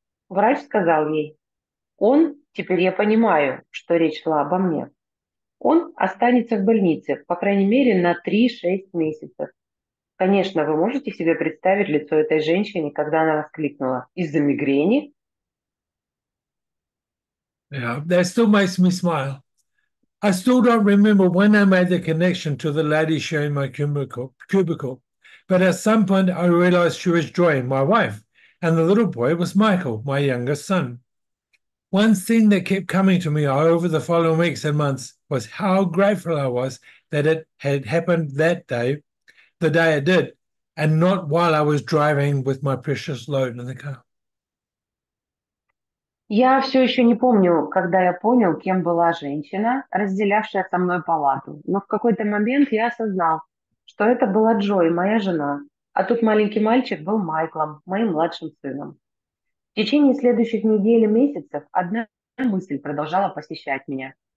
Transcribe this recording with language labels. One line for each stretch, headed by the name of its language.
Russian: Врач сказал ей, он, теперь я понимаю, что речь шла обо мне, он останется в больнице, по крайней мере, на 3-6 месяцев. Конечно, вы можете себе представить лицо этой женщины, когда она воскликнула, из-за мигрени?
English: Yeah, that still makes me smile. I still don't remember when I made the connection to the lady sharing my cubicle, but at some point I realized she was Joy, my wife, and the little boy was Michael, my youngest son. One thing that kept coming to me over the following weeks and months was how grateful I was that it had happened that day, the day it did, and not while I was driving with my precious load in the car.
Russian: Я все еще не помню, когда я понял, кем была женщина, разделявшая со мной палату. Но в какой-то момент я осознал, что это была Джой, моя жена. А тут маленький мальчик был Майклом, моим младшим сыном. В течение следующих недель и месяцев одна мысль продолжала посещать меня.